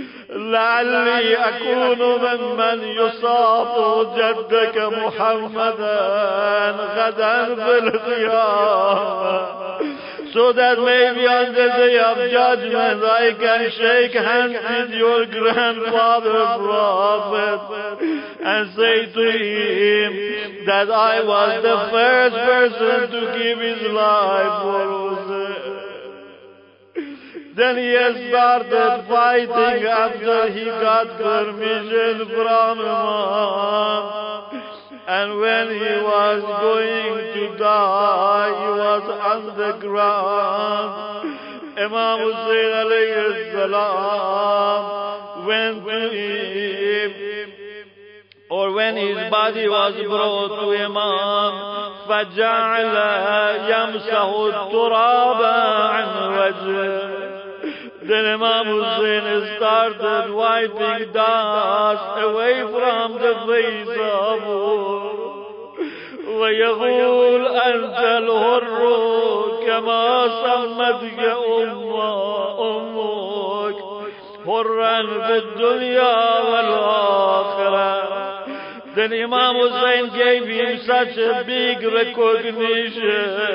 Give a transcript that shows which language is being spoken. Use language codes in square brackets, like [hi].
[ar] لعلي أكون ممن يصاب جدك محمدا غدا في القيامة. [en] So that maybe on the day of judgment I can shake hands with your grandfather prophet and say to him that I was the first person to give his life for Hussein. Then he has started fighting after he got permission from Imam. And when he was going to die, he was on the ground. Imam Hussein alayhi salam went to him. Or when his body was brought to Imam, [ar] فَجَعْلَ يَمْسَهُ التُّرَابَ عَنْ وَجْهِهِ. [en] Then Imam Hussein started wiping dust away from the face of him. [ar] ويقول أنت الحر كما سمتك أمك حرا في الدنيا والآخرة. [en] Then Imam Hussein gave him such a big recognition.